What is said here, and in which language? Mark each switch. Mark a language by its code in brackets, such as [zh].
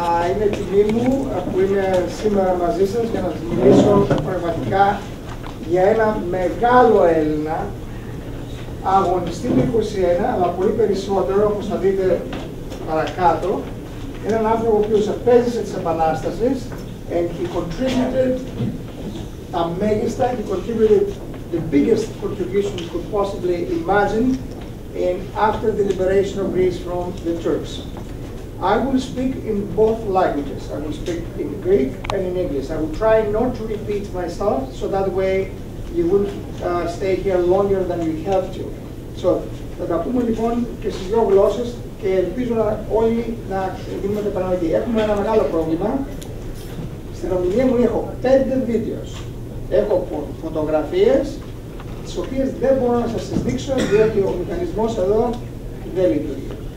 [el] Είναι τιμή μου που είμαι σήμερα μαζί σας για να μιλήσω πραγματικά για ένα μεγάλο Έλληνα, αγωνιστή του 21, αλλά πολύ περισσότερο, όπως θα δείτε παρακάτω. Έναν άνθρωπο ο οποίος επέζησε της Επανάστασης [en] and he contributed [el] τα μέγιστα, [en] he contributed the biggest contribution you could possibly imagine in after the liberation of Greece from the Turks. I will speak in both languages. I will speak in Greek and in English. I will try not to repeat myself, so that way you will stay here longer than you have to. [el] So, θα τα πούμε λοιπόν και στις δύο γλώσσες και ελπίζω να όλοι να δίνουμε την επαναλλαγή. Έχουμε ένα μεγάλο πρόβλημα. Στην ομιλία μου έχω 5 βίντεο. Έχω φωτογραφίες, τις οποίες δεν μπορώ να σας τις δείξω, διότι ο μηχανισμός εδώ δεν λειτουργεί.